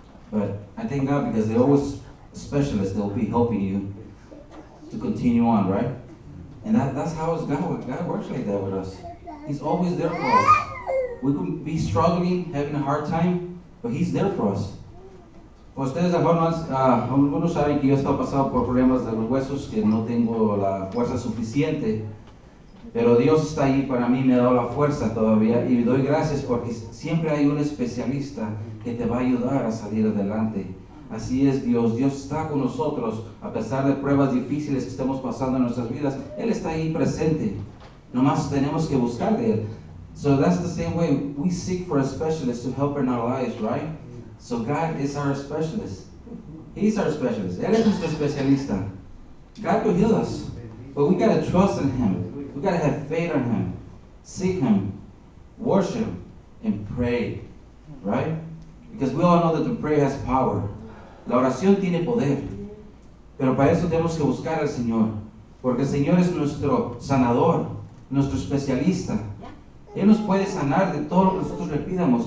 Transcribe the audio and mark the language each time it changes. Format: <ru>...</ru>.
<en>But I thank God because they're always specialists. They'll be helping you to continue on, right? And that's how God works like that with us. He's always there for us. We could be struggling, having a hard time, but he's there for us.</en> <es>Ustedes algunos saben que yo he estado pasando por problemas de los huesos, que no tengo la fuerza suficiente, pero Dios está ahí para mí, me ha dado la fuerza todavía, y doy gracias porque siempre hay un especialista que te va a ayudar a salir adelante. Así es Dios, Dios está con nosotros, a pesar de pruebas difíciles que estemos pasando en nuestras vidas, Él está ahí presente, nomás tenemos que buscar de Él.</es> <en>So that's the same way, we seek for a specialist to help in our lives, right? So God is our specialist. He's our specialist.</en> <es>Él es nuestro especialista.</es> <en>God will heal us. But we got to trust in Him. We got to have faith in Him. Seek Him. Worship. And pray. Right? Because we all know that the prayer has power.</en> <es>La oración tiene poder. Pero para eso tenemos que buscar al Señor. Porque el Señor es nuestro sanador. Nuestro especialista. Él nos puede sanar de todo lo que nosotros le pidamos.</es>